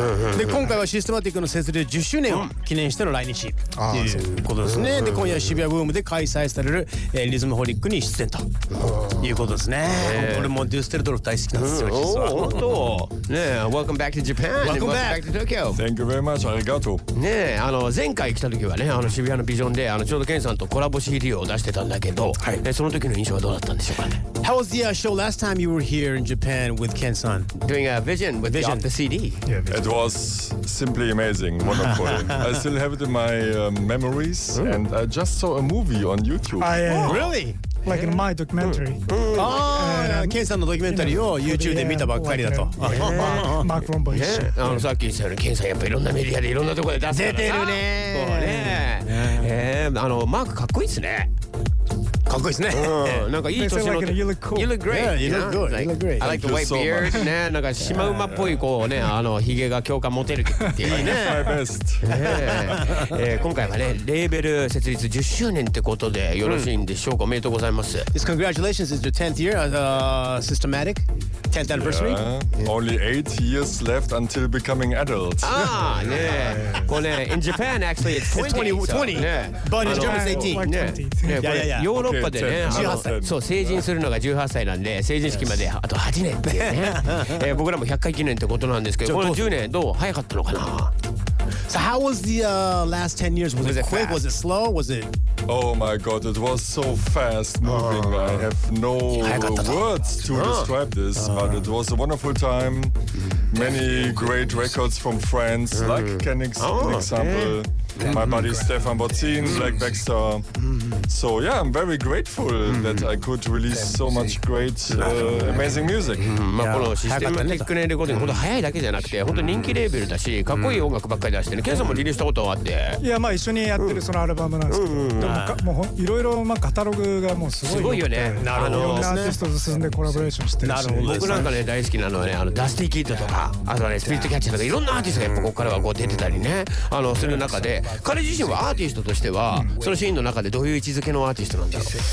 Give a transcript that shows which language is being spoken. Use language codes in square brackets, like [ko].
[ja] うんうんうん、で今回はシステマティックの設立10周年を記念しての来日っていうことですね、うんうん、で今夜渋谷ブームで開催される、リズムホリックに出演と、うんいうことですね。俺もデュッセルドルフ大好きなんですよ、実は。本当。ねえ、 [en] Welcome back to Japan. Welcome back to Tokyo. Thank you very much. [ja] ありがとう。ねえ、前回来た時はね、あの渋谷のビジョンで、ちょうどケンさんとコラボ CD を出してたんだけど、はい、その時の印象はどうだったんでしょうかね。 [en] How was the show last time you were here in Japan with Ken-san? Doing a vision with vision. The CD. Yeah, it was simply amazing. Wonderful. I still have it in my memories. And I just saw a movie on YouTube. I, really? Like in my documentary. [ja] ケンさんのドキュメンタリーを YouTube で見たばっかりだと。マーク・ロンボイ一緒。さっき言ったようにケンさんやっぱいろんなメディアでいろんなところで出すからさ。出てるね。マークかっこいいっすね。かっこいいっすね。なんかいい年の。 [en] You look cool. You look great. Yeah, you look good. You look great. I like the white beard. [ja] ね、なんかシマウマっぽいこうね、ヒゲが共感持てるっていうね。 [en] My best. [ja] 今回はね、レーベル設立10周年ってことでよろしいんでしょうか。おめでとうございます。 [en] It's congratulations. It's your 10th year as a systematic 10th anniversary. Yeah. Only 8 years left until becoming adult. [ja] ね。これね、 [en] in Japan actually it's 20. But in Germany it's 18. Yeah. [ja] ヨーロッパでね、そう、成人するのが18歳なんで、成人式まであと8年っていうね。僕らも100回記念ってことなんですけど、この10年どう早かったのかな。 [en] So how was the last 10 years? Was it quick? Was it slow? Was it? Oh my god, it was so fast moving. I have no words to describe this, but it was a wonderful time. Many great records from friends, like Kenix, for example. My buddy Stefan Botzin, Black Baxter. So yeah, I'm very grateful that I could release so much great, amazing music. [ja] まあこのシステマティックレコーディング、本当早いだけじゃなくて、本当人気レーベルだし、かっこいい音楽ばっかり出してね。ケンさんもリリースしたことはあって。いや、まあ一緒にやってるそのアルバムなんですけど、でももういろいろまあカタログがもうすごいよ。すごいよね。なるほど。いろんなアーティストと進んでコラボレーションしてるし。僕なんかね、大好きなのはね、ダスティキッドとか、あとはね、スピリットキャッチとか、いろんなアーティストがやっぱここからはこう出てたりね、する中で、彼自身はアーティストとしては、そのシーンの中でどういう位置づけのアーティストなんだろう。